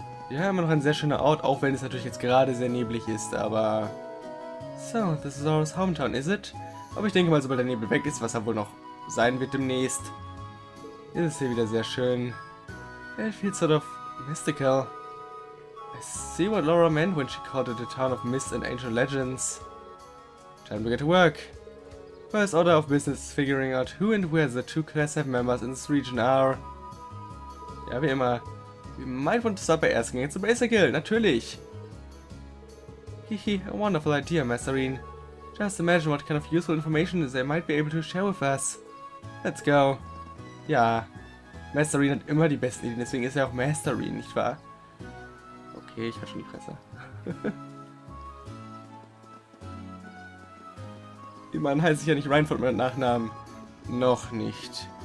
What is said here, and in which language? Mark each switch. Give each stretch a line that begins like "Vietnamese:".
German: Ja, immer noch ein sehr schöner Ort, auch wenn es natürlich jetzt gerade sehr neblig ist, aber.
English: So, this is our hometown, is it?
German: Aber ich denke mal, sobald der Nebel weg ist, was er wohl noch sein wird demnächst, ist es hier wieder sehr schön.
English: It feels sort of mystical. I see what Laura meant when she called it a town of mist and ancient legends. Time to get to work. First order of business is figuring out who and where the two class F members in this region are.
German: Ja, wie immer.
English: We might want to start by asking it's a basic hill, natürlich. Hehe, a wonderful idea, Masarine. Just imagine what kind of useful information they might be able to share with us. Let's go.
German: Ja, Masarine hat immer die besten Ideen, deswegen ist er auch Masarine, nicht wahr? Okay, ich hab schon die Presse. Immerhin heiße ich ja nicht Reinfeld mit Nachnamen. Noch nicht.